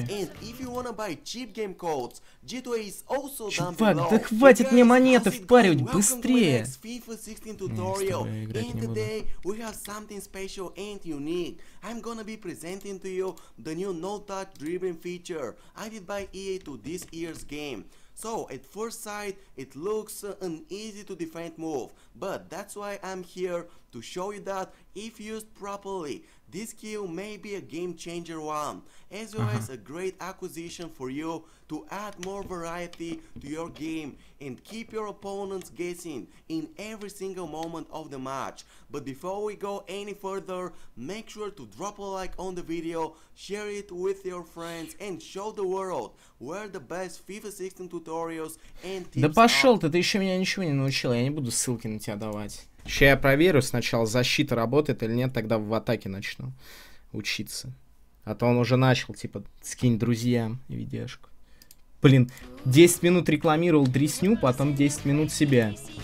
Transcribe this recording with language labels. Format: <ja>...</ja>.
<en>And if you wanna buy cheap game codes, G2A is also down below.</en> <ru>Чувак, да хватит мне монеты впаривать, быстрее!</ru> <en>FIFA 16 tutorial. And today we have something special and unique. I'm gonna be presenting to you the new no-touch dribbling feature added by EA to this year's game. So, at first sight, it looks an easy to defend move, but that's why I'm here to show you that if used properly, this skill may be a game changer one, as well as a great acquisition for you to add more variety to your game and keep your opponents guessing in every single moment of the match. But before we go any further, make sure to drop a like on the video, share it with your friends and show the world where the best FIFA 16 tutorials and tips are.</en> <ru>Да пошел ты, ты еще меня ничего не научил, я не буду ссылки на тебя давать. Ща я проверю сначала, защита работает или нет, тогда в атаке начну учиться. А то он уже начал, типа, скинь друзьям видяшку. Блин, 10 минут рекламировал дресню, потом 10 минут себя.</ru>